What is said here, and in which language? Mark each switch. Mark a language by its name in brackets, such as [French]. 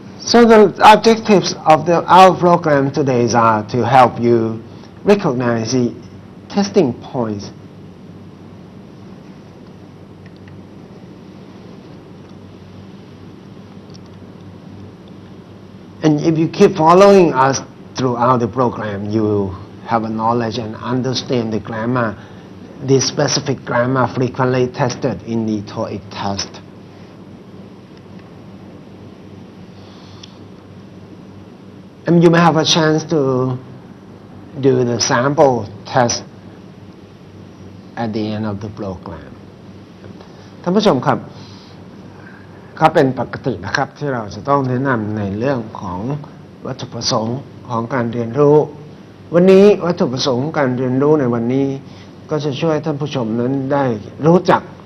[English] so the objectives of our program today are to help you recognize the testing pointsAnd if you keep following us throughout the program, you have a knowledge and understand the grammar, the specific grammar frequently tested in the TOEIC test. And you may have a chance to do the sample test at the end of the program. [Thai] ท่านผู้ชมครับก็เป็นปกตินะครับที่เราจะต้องแนะนำในเรื่องของวัตถุประสงค์ของการเรียนรู้วันนี้วัตถุประสงค์การเรียนรู้ในวันนี้ก็จะช่วยท่านผู้ชมนั้นได้รู้จัก